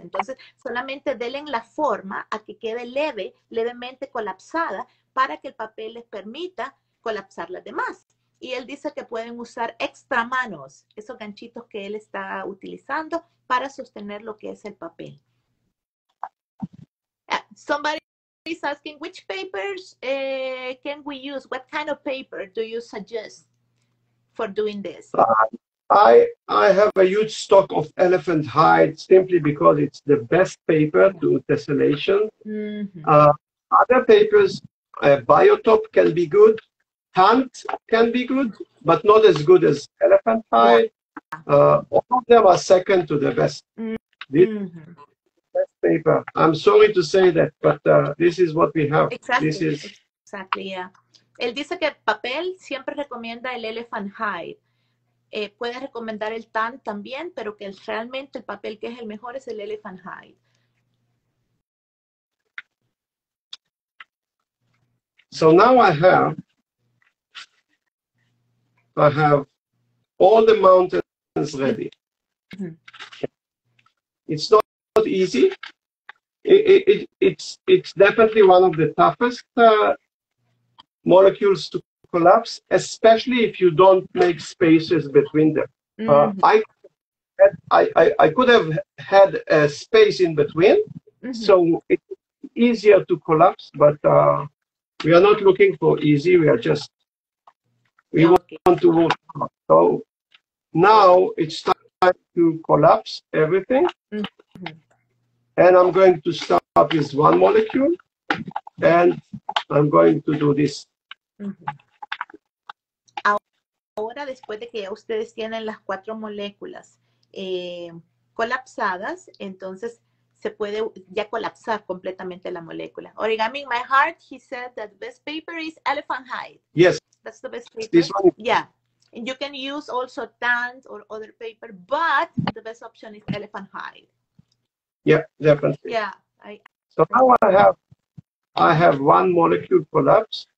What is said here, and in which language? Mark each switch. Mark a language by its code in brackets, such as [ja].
[es] Entonces, solamente denle la forma a que quede leve, levemente colapsada, para que el papel les permita colapsar las demás. Y él dice que pueden usar extra manos, esos ganchitos que él está utilizando para sostener lo que es el papel. [en] Somebody is asking, which papers can we use? What kind of paper do you suggest for doing this? I have a huge stock of elephant hide simply because it's the best paper to tessellation. Mm-hmm. Other papers, biotop can be good. Tant can be good, but not as good as elephant hide. All of them are second to the best. Mm-hmm. Paper. I'm sorry to say that, but this is what we have. Exactly. This is exactly, yeah. [es] Él dice que papel siempre recomienda el elephant hide. Puede recomendar el tan también, pero que realmente el papel que es el mejor es el elephant hide. [en] So now I have all the mountains ready. Mm-hmm. It's not easy. It's definitely one of the toughest molecules to collapse, especially if you don't make spaces between them. Mm-hmm. I could have had a space in between, mm-hmm. so it's easier to collapse, but we are not looking for easy. We want to work. So now it's time to collapse everything. Mm-hmm. And I'm going to start up with one molecule, and I'm going to do this. [es] Ahora, después de que ya ustedes tienen las cuatro moléculas colapsadas, entonces se puede ya colapsar completamente la molécula. [en] Origami, my heart, he said that the best paper is elephant hide. Yes. That's the best paper. This one. Yeah. And you can use also tans or other paper, but the best option is elephant hide. Yeah, definitely. Yeah. So now I have one molecule collapsed.